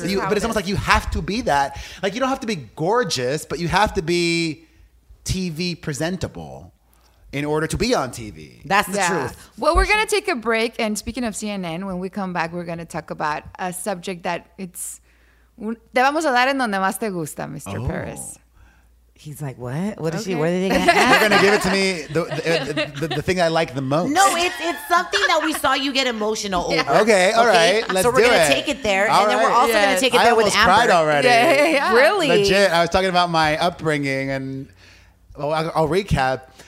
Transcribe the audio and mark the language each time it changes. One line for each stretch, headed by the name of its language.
English: almost like you have to be that. Like, you don't have to be gorgeous, but you have to be TV presentable in order to be on TV. That's the truth. Well, we're going to take a break. And speaking of CNN, when we come back, we're going to talk about a subject that it's...
Spanish: Te vamos a hablar en donde más te gusta, Mr.
English: Paris. He's like, what? What is she? What are they going to have? They're going to give it to me, the thing I like the most. No, it's something that we saw you get emotional over. Okay, all right. Let's do it. So we're going to take it there. All and right. then we're also going to take it I there with Amber. I almost cried already. Yeah. Really? Legit. I was talking about my upbringing and I'll recap.